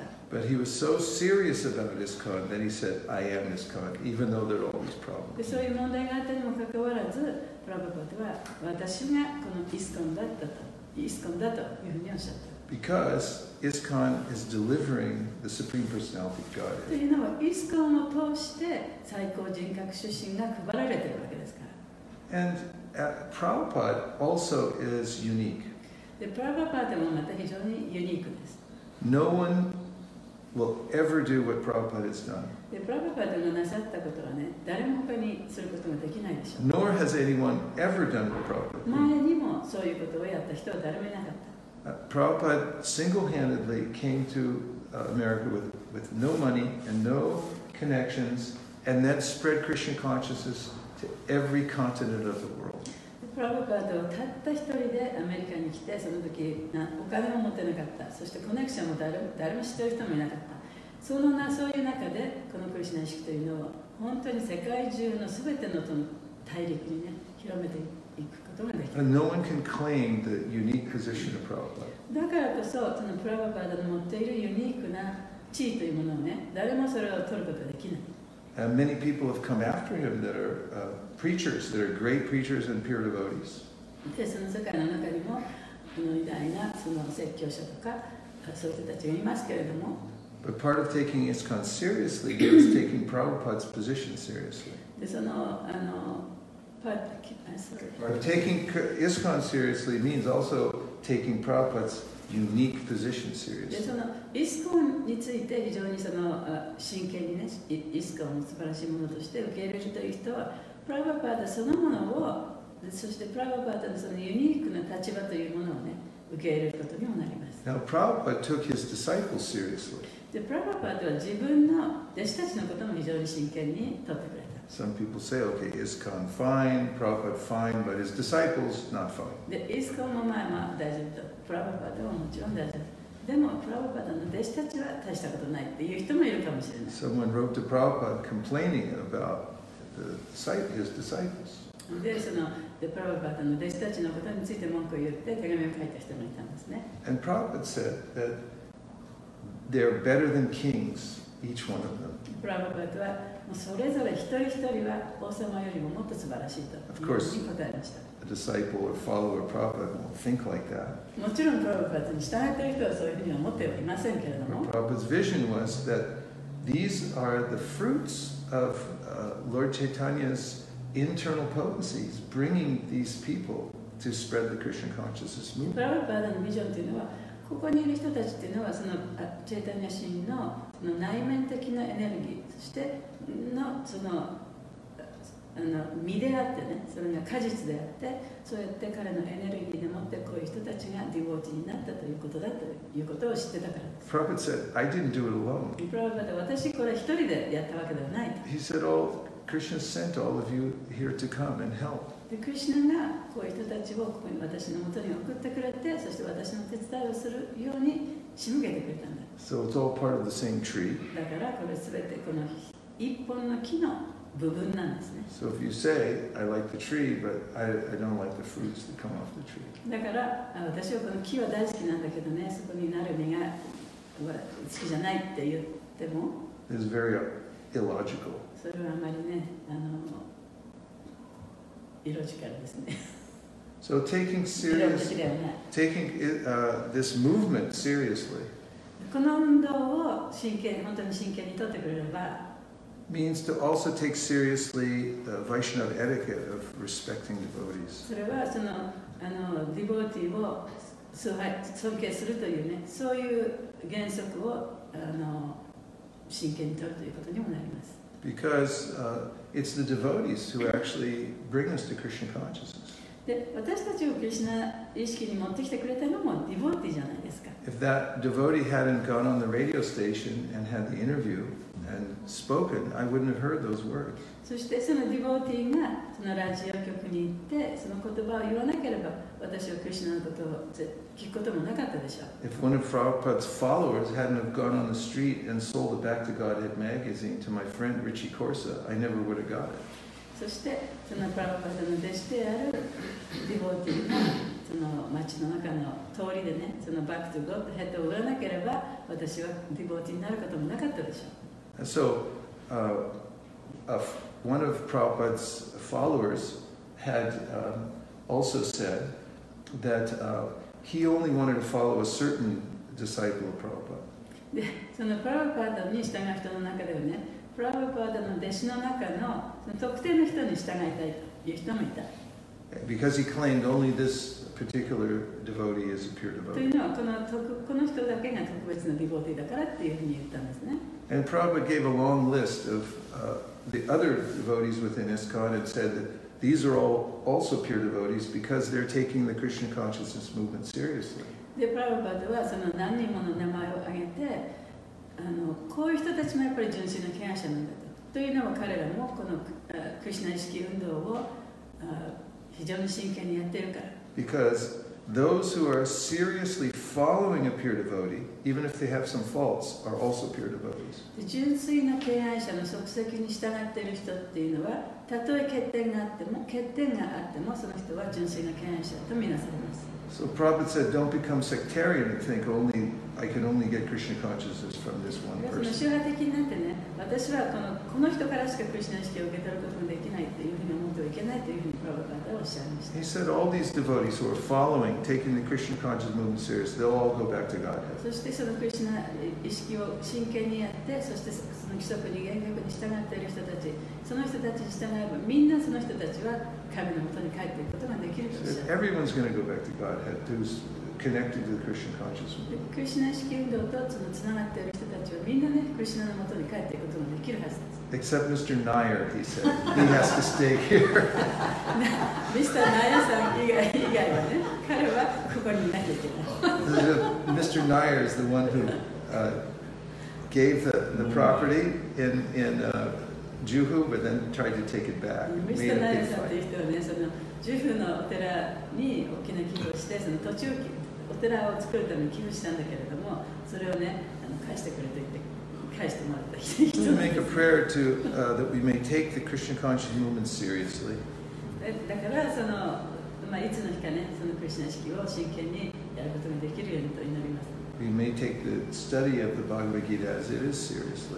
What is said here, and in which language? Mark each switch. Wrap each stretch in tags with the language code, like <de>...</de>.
<en>But he was so serious about ISKCON that he said, I am ISKCON, even though there are all these problems.</en> <ja>そういう問題があったにもかかわらず、プラヴァパダは私がこのISKCONだったと。</ja> <en>Because ISKCON is delivering the Supreme Personality of Godhead.</en> <ja>というのは、ISKCONを通して最高人格出身が配られているわけですから。</ja> <en>And Prabhupada also is unique.</en> <ja>で、Prabhupada もまた非常にユニークです。</ja> <en>No one will ever do what Prabhupada has done.</en> <ja>で、Prabhupada がなさったことはね、誰も他にすることができないでしょう。</ja> <en>Nor has anyone ever done what Prabhupada has done.</en> <ja>前にもそういうことをやった人は誰もいなかった。</ja> <en>Prabhupada single-handedly came to America with no money and no connections, and then spread Krishna consciousness to every continent of the world.</en> <ja>Prabhupada はたった一人でアメリカに来て、その時お金も持ってなかった。そしてコネクションも誰も知ってる人もいなかった。そういう中で、このクリシュナ意識というのを本当に世界中のすべての大陸にね、広めていく。</ja> <en>And no one can claim the unique position of Prabhupada.</en> <ja>だからこそ、そのプラヴァパダの持っているユニークな地位というものをね、誰もそれを取ることができない。</ja> <en>And many people have come after him that are preachers, that are great preachers and pure devotees.</en> <ja>で、その世界の中にも、この偉大なその説教者とか、そういう人たちがいますけれども。</ja> <en>But part of taking ISKCON seriously is taking Prabhupada's position seriously.</en> <ja>で、その、</ja> <en>Or taking ISKCON seriously means also taking Prabhupada's unique position seriously.</en> <ja>で、その ISKCON について非常にその真剣にね、ISKCON を素晴らしいものとして受け入れるという人は、プラヴァパダそのものを、そしてプラヴァパダのそのユニークな立場というものをね、受け入れることにもなります。</ja> <en>Now Prabhupada took his disciples seriously.</en> <ja>で、プラヴァパダは自分の弟子たちのことも非常に真剣に取ってくれた。</ja> <en>Some people say, okay, ISKCON fine, Prabhupada fine, but his disciples not fine.</en> <ja>The ISKCON もまあまあ大丈夫と、Prabhupada ももちろん大丈夫。でも Prabhupada の弟子たちは大したことないっていう人もいるかもしれない。</ja> <en>Someone wrote to Prabhupada complaining about his disciples.</en> <ja>で、その、Prabhupada の弟子たちのことについて文句を言って手紙を書いた人もいたんですね。</ja> <en>And Prabhupada said that they're better than kings, each one of them.</en> <ja>Prabhupada はそれぞれ一人一人は王様よりももっと素晴らしいと</ja> <en>of course,</en> <ja>言われました。</ja> <en>A disciple or follower of Prabhupada won't think like that.</en> <ja>もちろんプラヴァパダに従っている人はそういうふうには思ってはいませんけれども。</ja> <en>But Prabhupada's vision was that these are the fruits of Lord Chaitanya's internal potencies bringing these people to spread the Krishna consciousness movement.</en> <ja>プラヴァパダのビジョンというのは、ここにいる人たちというのはそのチェイタニア神のその内面的なエネルギーそしてのその実であってね、それが果実であって、そうやって彼のエネルギーでもってこういう人たちがディボ持ちになったということだということを知ってたから。</ja> <en>Prabhupada said, I didn't do it alone.</en> <ja>Prabhupada 私これ一人でやったわけではない。</ja> <en>He said, oh, Krishna sent all of you here to come and help.</en> <ja>で、クリシュナがこう人たちをここに私の元に送ってくれて、そして私の手伝いをするように仕向けてくれたんだ。</ja> <en>So it's all part of the same tree.</en> <ja>だからこれすべてこの一本の木の部分なんですね。</ja> <en>So if you say, I like the tree, but I don't like the fruits that come off the tree.</en> <ja>だから私はこの木は大好きなんだけどね、そこになる実が好きじゃないって言っても。</ja> <en>It's very illogical.</en> <ja>それはあまりね、イロジカルですね。</ja> <en>So taking serious, taking it, this movement seriously.</en> <ja>この運動を真剣に、本当に真剣にとってくれれば、</ja> <en>means to also take seriously the Vaishnava etiquette of respecting devotees.</en> <ja>それはその、ディボーティーを尊敬するというね、そういう原則を真剣にとるということにもなります。</ja> <en>Because it's the devotees who actually bring us to Krishna consciousness.</en> <ja>で、私たちをクリシュナ意識に持ってきてくれたのもディボーティーじゃないですか。</ja> <en>If that devotee hadn't gone on the radio station and had the interview,and spoken, I wouldn't have heard those words.</en> <ja>そしてそのディボーティーがそのラジオ局に行ってその言葉を言わなければ私はクリシュナのことを聞くこともなかったでしょう。</ja> <en>If one of Prabhupada's followers hadn't have gone on the street and sold the Back to Godhead magazine to my friend Richie Corsa, I never would have got it.</en> <ja>そしてそのプラパダの弟子であるディボーティーがその街の中の通りでね、そのバックトゥゴッドヘッドを売らなければ私はディボーティーになることもなかったでしょう。</ja> <en>So, one of Prabhupada's followers had also said that he only wanted to follow a certain disciple of Prabhupada.</en> <ja>で、そのプラパダに従う人の中ではね、プラパダの弟子の中のその特定の人に従いたいという人もいた。</ja> <en>Because he claimed only this particular devotee is a pure devotee.</en> <ja>というのはこの人だけが特別なディボーティーだからっていうふうに言ったんですね。</ja> <en>And Prabhupada gave a long list of the other devotees within ISKCON and said that these are all also pure devotees because they're taking the Krishna consciousness movement seriously.</en> <ja>で、プラヴパダはその何人もの名前を挙げて、こういう人たちもやっぱり純粋な権威者なんだと。というのも彼らもこのクリシナ意識運動を非常に真剣にやってるから。</ja> <en>Because those who are seriously following a pure devotee, even if they have some faults, are also pure devotees.</en> <ja>純粋な敬愛者の足跡に従っている人っていうのは、たとえ欠点があっても、その人は純粋な敬愛者とみなされます。</ja> <en>So Prabhupada said, don't become sectarian and think only I can only get Krishna consciousness from this one person.</en> <ja>宗派的になってね、私はこの人からしかクリシュナ意識を受け取ることもできないというふうに思ってはいけないというふうにプラヴァダはおっしゃいました。</ja> <en>He said all these devotees who are following, taking the Krishna consciousness movement serious, they'll all go back to Godhead.</en> <ja>そしてそのクリシュナ意識を真剣にやって、そしてその規則に厳格に従っている人たち、その人たちに従えば、みんなその人たちは神の元に帰っていくことができるとおっしゃいました。</ja> <en>Everyone's going to go back to Godhead. Who's connected to the Krishna consciousness movement.</en> <ja>クリシュナ意識運動とそのつながっている人たちはみんなね、クリシュナの元に帰っていくこともできるはずです。</ja> <en>Except Mr. Nair, he said. He has to stay here. Mr.</en> <ja>Nair さん以外はね、彼はここにいなきゃいけない。</ja> <en>Mr. Nair is the one who gave the property in Juhu, but then tried to take it back. Mr.</en> <ja>Nair さんという人はね、そのジュフのお寺に大きな寄付をして、その土地をお寺を作るために寄付したんだけれども、それをね、返してくれと言って。</ja> <en>We make a prayer to that we may take the Krishna conscious movement seriously.</en> <ja>だからそのまあいつの日かね、そのクリシュナ意識を真剣にやることができるようにと祈ります。</ja> <en>We may take the study of the Bhagavad Gita as it is seriously.</en>